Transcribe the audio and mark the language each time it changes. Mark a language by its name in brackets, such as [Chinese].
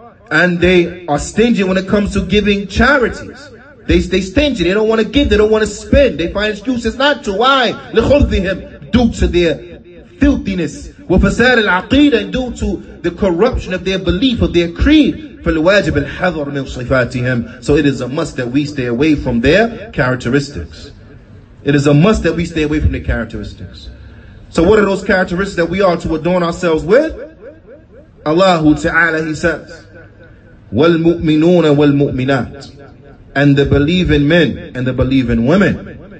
[English] And they are stingy when it comes to giving charities. They stingy. They don't want to give. They don't want to spend. They find excuses not to. Why? [Arabic] لخبضهم. [English] Due to their filthiness. [Arabic] وفساد العقيدة. [English] And due to the corruption of their belief, of their creed. [Arabic] فالواجب الحذر من صفاتهم. [English] So it is a must that we stay away from their characteristics. It is a must that we stay away from the characteristics. So what are those characteristics that we are to adorn ourselves with? Allahu Ta'ala, he says, [Arabic] وَالْمُؤْمِنُونَ وَالْمُؤْمِنَاتِ [English] And the believing men and the believing women.